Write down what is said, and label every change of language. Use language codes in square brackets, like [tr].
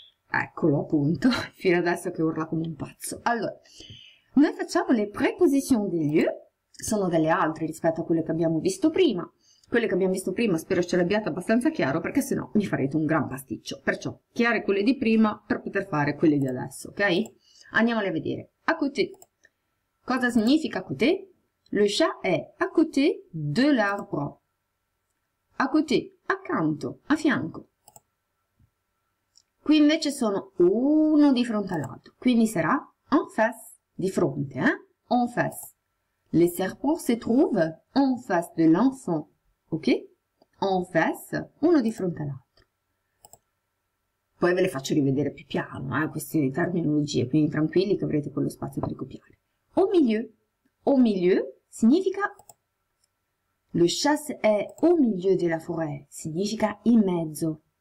[it] Eccolo appunto, fino adesso che urla come un pazzo. Allora, noi facciamo le [fr] prepositions des lieux, [it] sono delle altre rispetto a quelle che abbiamo visto prima. Quelle che abbiamo visto prima spero ce le abbiate abbastanza chiaro, perché sennò mi farete un gran pasticcio. Perciò, chiare quelle di prima per poter fare quelle di adesso, ok? Andiamole a vedere. [fr] A côté. [it] Cosa significa côté? [fr] Le chat è à côté de l'arbre. À côté, [it] accanto, a fianco. Qui invece sono uno di fronte all'altro, quindi sarà [fr] en face, [it] di fronte, eh? [fr] En face. Le serpent se trouve en face de l'enfant. [en] Ok? [fr] En face, [it] uno di fronte all'altro. Poi ve le faccio rivedere più piano, queste terminologie, quindi tranquilli che avrete quello spazio per ricopiare. [fr] Au milieu [it] significa [fr] le chasse è au milieu de la forêt, [it] significa in mezzo.